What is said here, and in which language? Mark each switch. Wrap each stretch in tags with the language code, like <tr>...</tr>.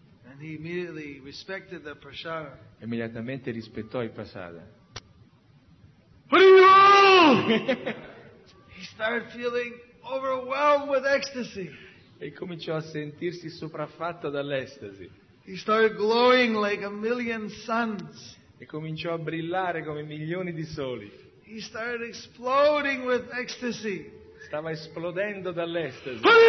<en>And he immediately respected the prasada.</en> <it>Immediatamente rispettò il prasada.</it> <en>He started feeling overwhelmed with ecstasy.</en> <it>E cominciò a sentirsi sopraffatto dall'estasi.</it> <en>He started glowing like a million suns.</en> <it>E cominciò a brillare come milioni di soli.</it> <en>He started exploding with ecstasy.</en> <it>Stava esplodendo dall'estasi.</it>